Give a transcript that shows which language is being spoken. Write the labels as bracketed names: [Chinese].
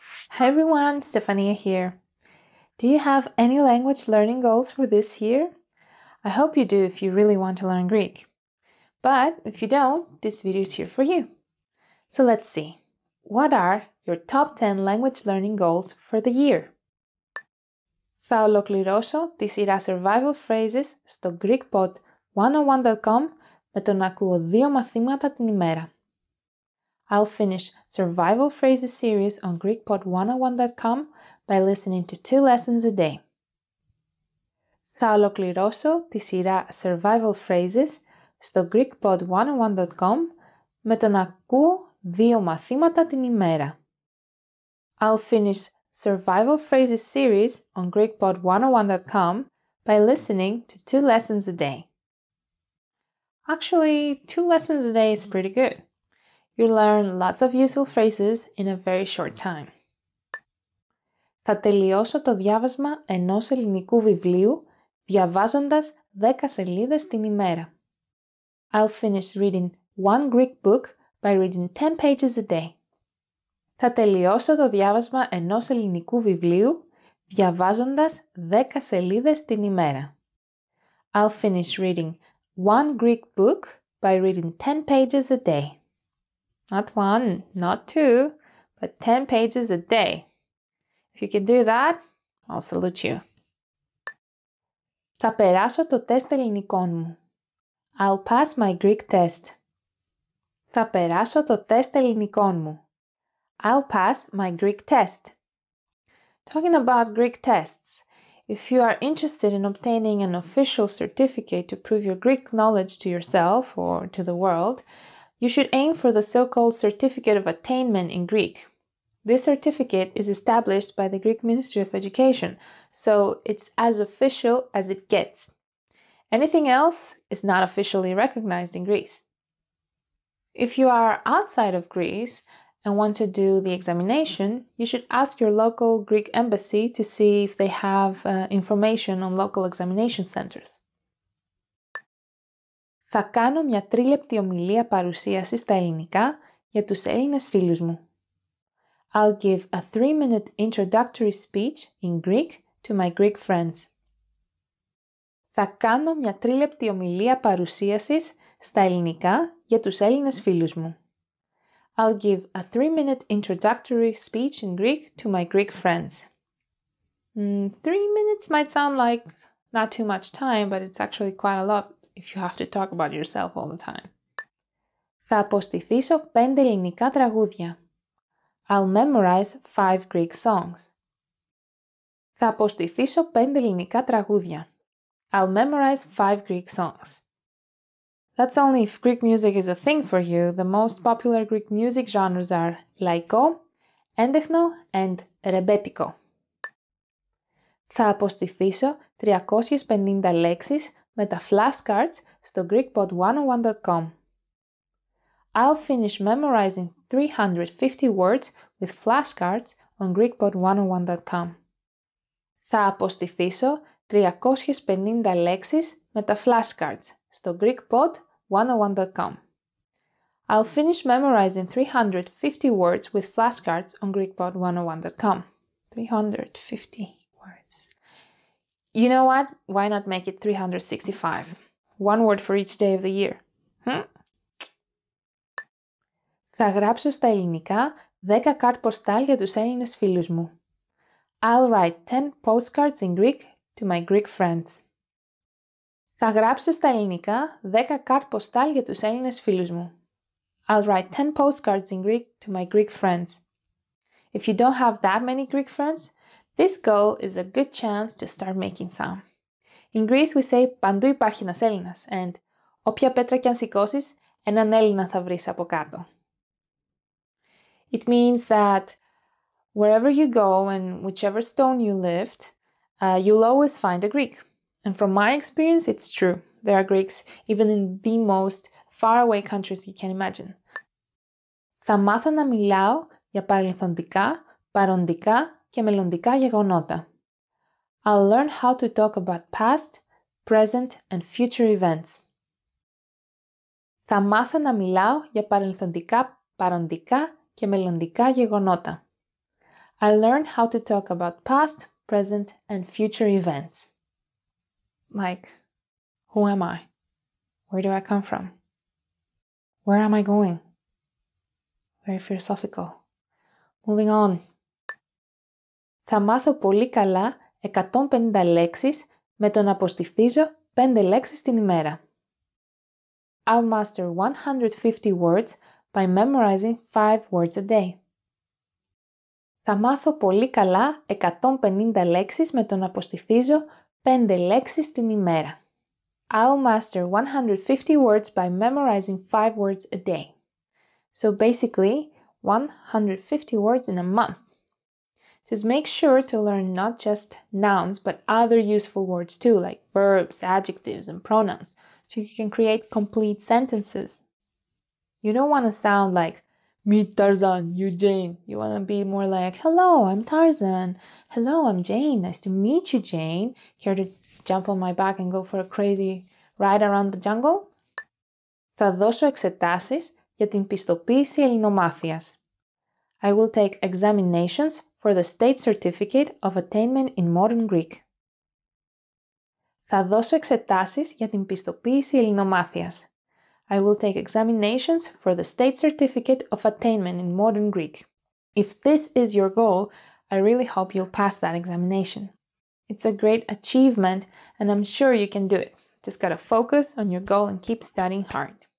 [English] Hi everyone, Stefania here. Do you have any language learning goals for this year? I hope you do if you really want to learn Greek. But if you don't, this video is here for you. So let's see. What are your top 10 language learning goals for the year? [Greek] Θα ολοκληρώσω τη σειρά survival phrases στο GreekPod101.com με το να ακούω δύο μαθήματα την ημέρα. [English] I'll finish Survival Phrases series on GreekPod101.com by listening to 2 lessons a day. [Greek] Θα ολοκληρώσω τη σειρά Survival Phrases στο GreekPod101.com με το να ακούω δύο μαθήματα την ημέρα. [English] I'll finish Survival Phrases series on GreekPod101.com by listening to 2 lessons a day. Actually, 2 lessons a day is pretty good. You learn lots of useful phrases in a very short time. [Greek] Θα τελειώσω το διάβασμα ενός ελληνικού βιβλίου διαβάζοντας 10 σελίδες την ημέρα. [English] I'll finish reading one Greek book by reading 10 pages a day. [Greek] Θα τελειώσω το διάβασμα ενός ελληνικού βιβλίου διαβάζοντας 10 σελίδες την ημέρα. [English] I'll finish reading one Greek book by reading 10 pages a day. Not one, not two, but 10 pages a day. If you can do that, I'll salute you. [Greek] Θα περάσω το τεστ ελληνικών μου. [English] I'll pass my Greek test. [Greek] Θα περάσω το τεστ ελληνικών μου. [English] I'll pass my Greek test. Talking about Greek tests, if you are interested in obtaining an official certificate to prove your Greek knowledge to yourself or to the world, you should aim for the so-called Certificate of Attainment in Greek. This certificate is established by the Greek Ministry of Education, so it's as official as it gets. Anything else is not officially recognized in Greece. If you are outside of Greece and want to do the examination, you should ask your local Greek embassy to see if they have information on local examination centers. [Greek] Θα κάνω μια τρίλεπτη ομιλία παρουσίαση στα ελληνικά για τους Έλληνες φίλους μου. [English] I'll give a 3-minute introductory speech in Greek to my Greek friends. [Greek] Θα κάνω μια τρίλεπτη ομιλία παρουσίασης στα ελληνικά για τους Έλληνες φίλους μου. [English] I'll give a 3-minute introductory speech in Greek to my Greek friends. 3 minutes might sound like not too much time, but it's actually quite a lot if you have to talk about yourself all the time. [Greek] Θα αποστηθήσω 5 ελληνικά τραγούδια. [English] I'll memorize 5 Greek songs. [Greek] Θα αποστηθήσω 5 ελληνικά τραγούδια. [English] I'll memorize 5 Greek songs. That's only if Greek music is a thing for you. The most popular Greek music genres are laiko, endechno and rebetiko. [Greek] Θα αποστηθήσω 350 λέξεις με τα flashcards στο GreekPod101.com. [English] I'll finish memorizing 350 words with flashcards on GreekPod101.com. [Greek] Θα αποστηθήσω 350 λέξεις με τα flashcards στο GreekPod101.com. [English] I'll finish memorizing 350 words with flashcards on GreekPod101.com. 350 words. You know what? Why not make it 365? One word for each day of the year. [Greek] Θα γράψω στα ελληνικά 10 card postal για τους Έλληνες φίλους μου. [English] I'll write 10 postcards in Greek to my Greek friends. [Greek] Θα γράψω στα ελληνικά 10 card postal για τους Έλληνες φίλους μου. [English] I'll write 10 postcards in Greek to my Greek friends. If you don't have that many Greek friends, this goal is a good chance to start making some. In Greece we say [Greek] «Παντού υπάρχει ένας Έλληνας» and «Όποια πέτρα κι αν σηκώσεις, έναν Έλληνα θα βρεις από κάτω». [English] It means that wherever you go and whichever stone you lift, you'll always find a Greek. And from my experience, it's true. There are Greeks even in the most faraway countries you can imagine. [Greek] Θα μάθω να μιλάω για παρελθοντικά, παροντικά και μελλοντικά γεγονότα. [English] I'll learn how to talk about past, present and future events. [Greek] Θα μάθω να μιλάω για παρελθοντικά, παροντικά και μελλοντικά γεγονότα. [English] I learned how to talk about past, present and future events. Like, who am I? Where do I come from? Where am I going? Very philosophical. Moving on. [Greek] Θα μάθω πολύ καλά 150 λέξεις με το να αποστηθίζω 5 λέξεις την ημέρα. [English] I'll master 150 words by memorizing 5 words a day. [Greek] Θα μάθω πολύ καλά 150 λέξεις με το να αποστηθίζω 5 λέξεις την ημέρα. [English] I'll master 150 words by memorizing 5 words a day. So basically, 150 words in a month. Just make sure to learn not just nouns, but other useful words too, like verbs, adjectives, and pronouns, so you can create complete sentences. You don't want to sound like, meet Tarzan, you Jane. You want to be more like, hello, I'm Tarzan. Hello, I'm Jane. Nice to meet you, Jane. Here to jump on my back and go for a crazy ride around the jungle? [Greek] Θα δώσω εξετάσεις για την πιστοποίηση ελληνομάθειας. [English] I will take examinations for the state certificate of attainment in modern Greek. [Greek] Θα δώσω εξετάσεις για την πιστοποίηση ελληνομάθειας. [English] I will take examinations for the state certificate of attainment in modern Greek. If this is your goal, I really hope you'll pass that examination. It's a great achievement, and I'm sure you can do it. Just gotta focus on your goal and keep studying hard.